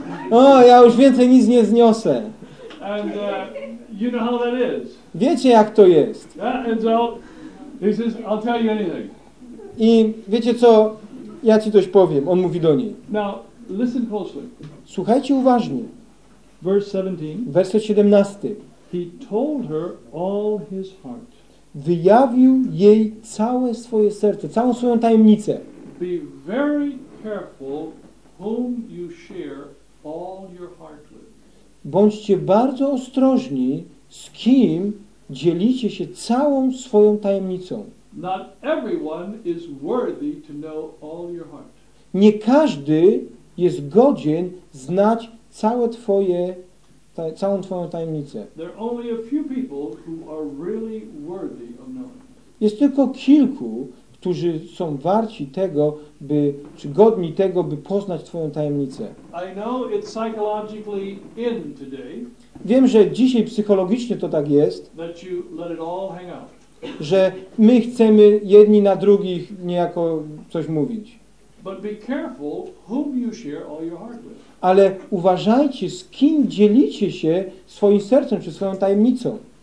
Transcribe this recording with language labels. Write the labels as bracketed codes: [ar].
[pl] O, ja już więcej nic nie zniosę. [en] And, you know how that is. [pl] Wiecie, jak to jest. [en] And so, he says, I'll tell you anything. [pl] I wiecie co? Ja ci coś powiem. On mówi do niej. [en] Now, listen closely. [pl] Słuchajcie uważnie. [en] Verse 17. [pl] Werset 17. [en] He told her all his heart. [pl] Wyjawił jej całe swoje serce, całą swoją tajemnicę. [en] Be very careful whom you share all your heart with. [pl] Bądźcie bardzo ostrożni, z kim dzielicie się całą swoją tajemnicą. [en] Not everyone is worthy to know all your heart. [pl] Nie każdy jest godzien znać całe twoje całą twoją tajemnicę. [en] There are only a few people who are really worthy of knowing. [pl] Jest tylko kilku, którzy są warci tego, by, czy godni tego, by poznać twoją tajemnicę. [en] I know it's psychologically in today. [pl] Wiem, że dzisiaj psychologicznie to tak jest, [en] that you let it all hang out. [pl] Że my chcemy jedni na drugich niejako coś mówić. [en] But be careful whom you share all your heart with. [pl] Ale uważajcie, z kim dzielicie się swoim sercem czy swoją tajemnicą.